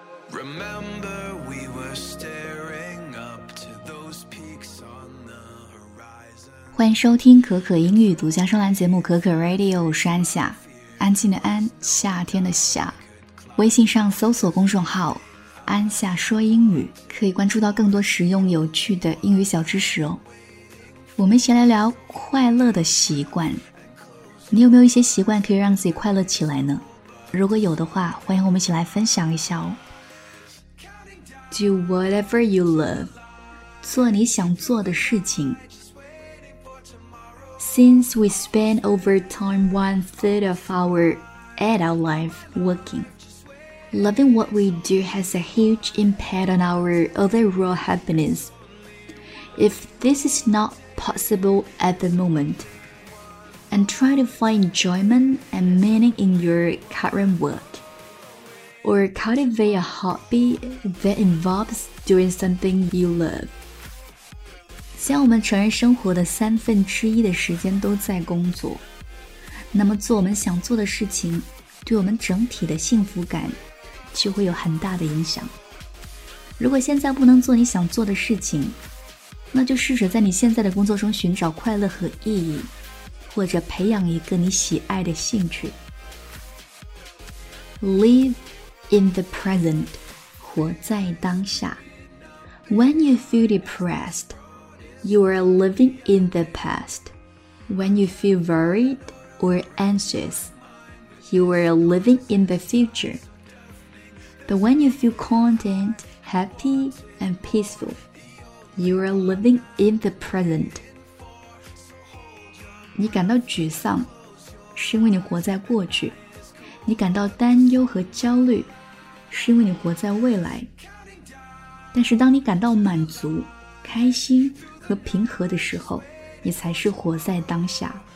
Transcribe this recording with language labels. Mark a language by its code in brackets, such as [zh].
[en] Remember, we were staring up to those peaks on the horizon. [zh] 欢迎收听可可英语独家声浪节目可可 Radio， 山下安静的安，夏天的夏。微信上搜索公众号安夏说英语，可以关注到更多实用有趣的英语小知识哦。我们先来聊快乐的习惯，你有没有一些习惯可以让自己快乐起来呢？如果有的话，欢迎我们一起来分享一下哦。 [en] Do whatever you love， [zh] 做你想做的事情。 [en] Since we spend over time one third of our adult life working, loving what we do has a huge impact on our overall happiness. If this is not possible at the moment, and try to find enjoyment and meaning in your current work. Or cultivate a hobby that involves doing something you love. [zh] 像我们成人生活的三分之一的时间都在工作，那么做我们想做的事情，对我们整体的幸福感就会有很大的影响。如果现在不能做你想做的事情，那就试着在你现在的工作中寻找快乐和意义，或者培养一个你喜爱的兴趣。 [en] Live in the present, [zh] 活在当下。 [en] When you feel depressed, you are living in the past. When you feel worried or anxious, you are living in the future. But when you feel content, happy, and peaceful, you are living in the present. [zh] 你感到沮丧，是因为你活在过去。你感到担忧和焦虑是因为你活在未来，但是当你感到满足、开心和平和的时候，你才是活在当下。